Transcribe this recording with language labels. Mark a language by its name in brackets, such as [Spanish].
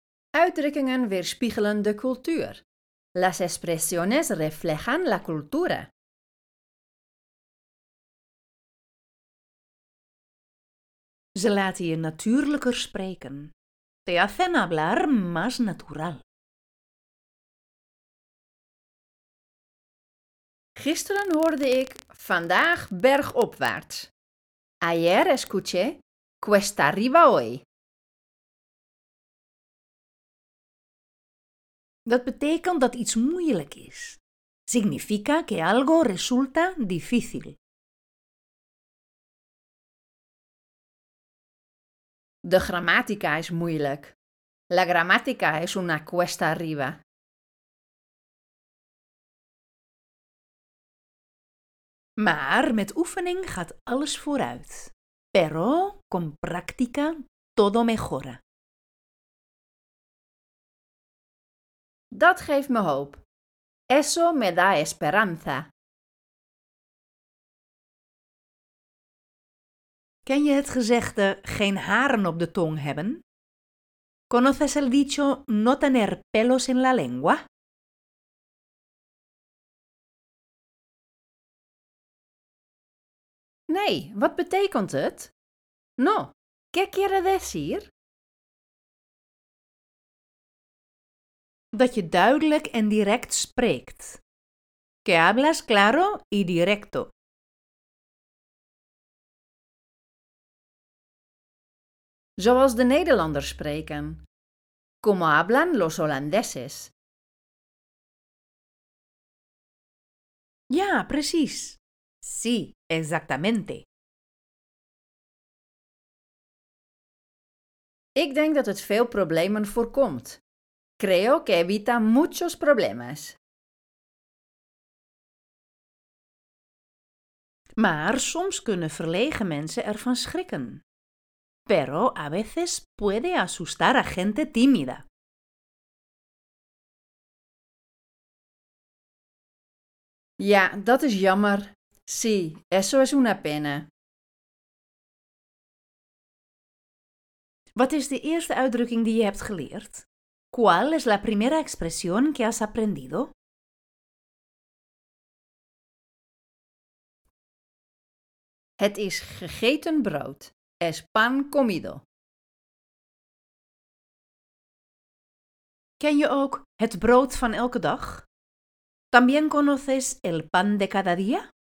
[Dutch] Uitdrukkingen weerspiegelen de cultuur. [Spanish] Las expresiones reflejan la cultura. [Dutch] Ze laten je natuurlijker spreken. [Spanish] Te hacen hablar más natural. [Dutch] Gisteren hoorde ik vandaag bergopwaarts. [Spanish] Ayer escuché cuesta arriba hoy. [Dutch] Dat betekent dat iets moeilijk is. [Spanish] Significa que algo resulta difícil. De gramática es moeilijk. La gramática es una cuesta arriba. [Dutch] Maar met oefening gaat alles vooruit. [Spanish] Pero con práctica todo mejora. [Dutch] Dat geeft me hoop. [Spanish] Eso me da esperanza. [Dutch] Ken je het gezegde geen haren op de tong hebben? [Spanish] ¿Conoces el dicho no tener pelos en la lengua? [Dutch] Nee, wat betekent het? [Spanish] No, ¿qué quiere decir? [Dutch] Dat je duidelijk en direct spreekt. [Spanish] Que hablas claro y directo. [Dutch] Zoals de Nederlanders spreken. [Spanish] Como hablan los holandeses. [Dutch] Ja, precies. [Spanish] Sí, exactamente. [Dutch] Ik denk dat het veel problemen voorkomt. [Spanish] Creo que evita muchos problemas. [Dutch] Maar soms kunnen verlegen mensen ervan schrikken. [Spanish] Pero a veces puede asustar a gente tímida. [Dutch] Ja, dat is jammer. [Spanish] Sí, eso es una pena. [Dutch] Wat is de eerste uitdrukking die je hebt geleerd? [Spanish] ¿Cuál es la primera expresión que has aprendido? [Dutch] Het is gegeten brood. [Spanish] Es pan comido. [Dutch] Ken je ook het brood van elke dag? [Spanish] ¿También conoces el pan de cada día?